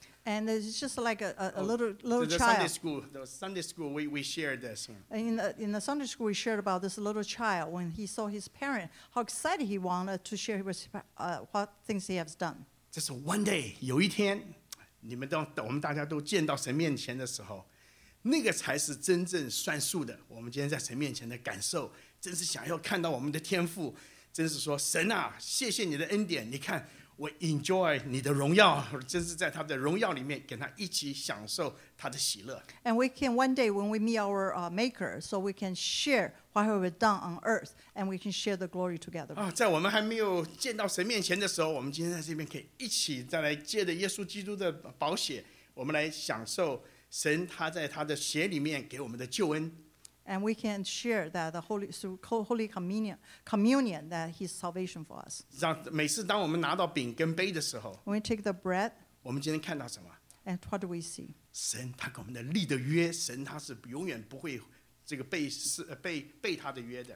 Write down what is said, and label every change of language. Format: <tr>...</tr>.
<en>And it's just like a little child. The Sunday school, we shared this. In the Sunday school, we shared about this little child when he saw his parent, how excited he wanted to share with what things he has done. Just one day,</en> <zh>有一天，我们大家都见到神面前的时候，那个才是真正算数的。我们今天在神面前的感受，真是想要看到我们的天父，真是说神啊，谢谢你的恩典，你看。我 enjoy 你的荣耀，就是在他的荣耀里面跟他一起享受他的喜乐。</zh> <en>And we can one day when we meet our maker, so we can share what we've done on earth, and we can share the glory together.</en> <zh>在我们还没有见到神面前的时候，我们今天在这边可以一起再来借着耶稣基督的宝血，我们来享受神他在他的血里面给我们的救恩。</zh> <en>And we can share that the Holy, through Holy Communion, Communion that His salvation for us.</en> <zh>让每次当我们拿到饼跟杯的时候，</zh> <en>When we take the bread,</en> <zh>我们今天看到什么？</zh> <en>And what do we see?</en> <zh>神他跟我们的立的约，神他是永远不会这个背他的约的。</zh>